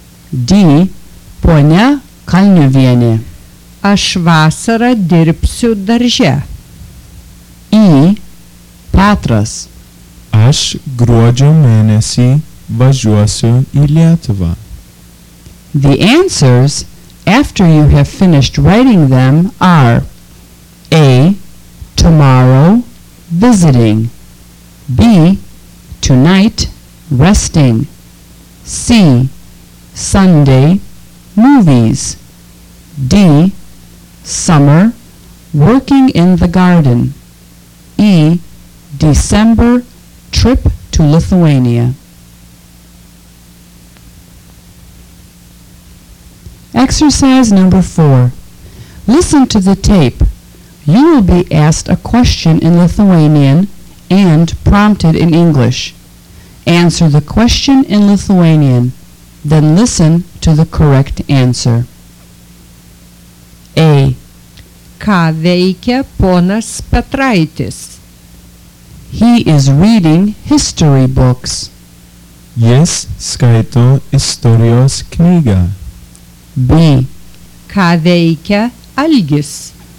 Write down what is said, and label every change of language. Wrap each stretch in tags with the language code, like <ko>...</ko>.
<lt>D. Ponia Kalniuvienė. Aš vasarą dirbsiu darže. E. Petras. Aš gruodžio mėnesį važiuosiu į Lietuvą.</lt> <en>The answers, after you have finished writing them, are A. Tomorrow, visiting. B. Tonight, resting. C. Sunday, movies. D. Summer, working in the garden. E. December, trip to Lithuania. Exercise number 4. Listen to the tape. You will be asked a question in Lithuanian and prompted in English. Answer the question in Lithuanian, then listen to the correct answer. A.</en> <lt>Ką veikia ponas Petraitis?</lt> <en>He is reading history books.</en> <lt>Jis skaito istorijos knygą.</lt> <en>B.</en> <lt>Ką veikia Algis?</lt>